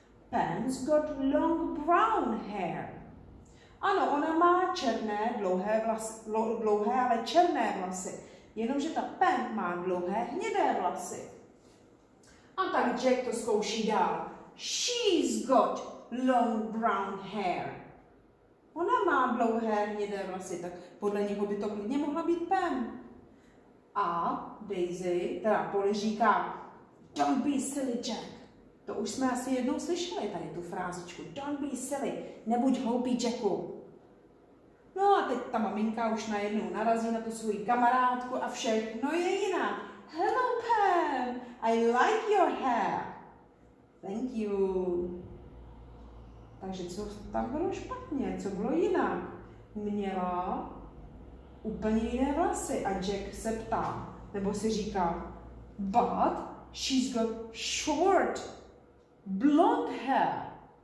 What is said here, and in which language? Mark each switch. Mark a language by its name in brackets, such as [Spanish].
[English] Pam's got long brown hair. [Czech] Ano, ona má černé, dlouhé vlasy, dlouhé, ale černé vlasy. Jenomže ta Pam má dlouhé, hnědé vlasy. A tak Jack to zkouší dál. [English] She's got long brown hair. [Czech] Ona má dlouhé hnědé vlasy, tak podle něho by to klidně mohla být Pam. A Daisy, teda Polly říká, [English] don't be silly, Jack. [Czech] To už jsme asi jednou slyšeli tady tu frázičku. [English] Don't be silly, [Czech] nebuď hloupý, Jacku. No a teď ta maminka už najednou narazí na tu svou kamarádku a všechno je jinak. [English] Hello, Pam, I like your hair. Thank you. [Czech] Takže co tam bylo špatně? Co bylo jinak? Měla úplně jiné vlasy a Jack se ptá, nebo si říká, [English] but she's got short blonde hair.